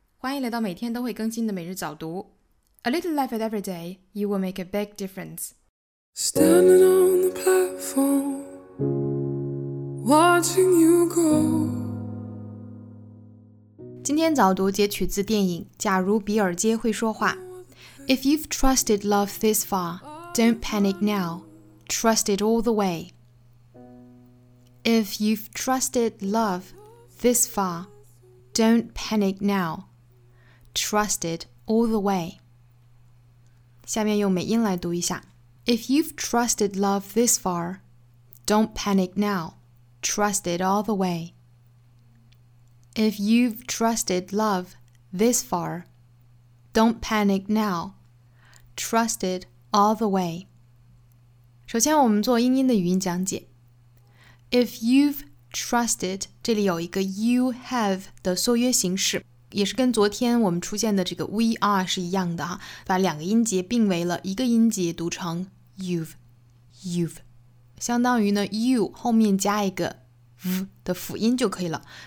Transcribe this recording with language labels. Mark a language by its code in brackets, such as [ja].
[zh] 欢迎来到每天都会更新的每日早读。 [en] A little life at every day, you will make a big difference. Standing on the platform, watching you go. [zh] 今天早读截取自电影《假如比尔街会说话》。 [en] If you've trusted love this far, don't panic now. Trust it all the way. If you've trusted love this far,Don't panic now. Trust it all the way. [zh] 下面用美音来读一下。 [en] If you've trusted love this far, don't panic now. Trust it all the way. If you've trusted love this far, don't panic now. Trust it all the way. [zh] 首先我们做英音的语音讲解。 [en] If you'veTrusted, [zh] 这里有一个 [en] you have [zh] 的缩约形式，也是跟昨天我们出现的这个 [en] we are [zh] 是一样的，把两个音节并为了一个音节，读成 you've, 相当于呢 you 后面加一个 v 的辅音就可以了。